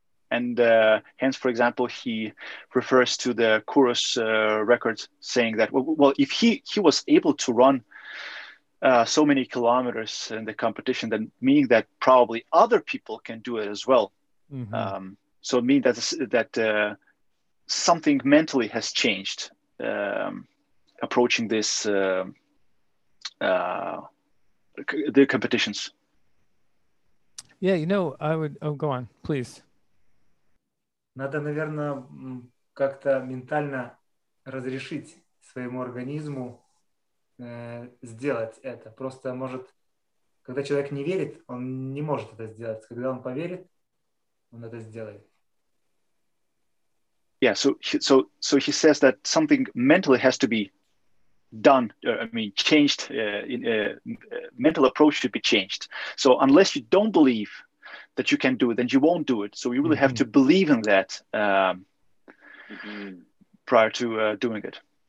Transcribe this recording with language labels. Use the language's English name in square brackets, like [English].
[English] And hence, for example, he refers to the Kuros record, saying that, well if he was able to run so many kilometers in the competition, then meaning that probably other people can do it as well. Mm-hmm. So it means that something mentally has changed approaching this the competitions. Yeah, you know, go on, please. [Russian] Надо, наверное, как-то ментально разрешить своему организму сделать это. Просто может, когда человек не верит, он не может это сделать. Когда он поверит, он это сделает. [English] Yeah, so he says that something mentally has to be done, changed, mental approach should be changed. So unless you don't believe that you can do it, then you won't do it. So you really have to believe in that prior to doing it.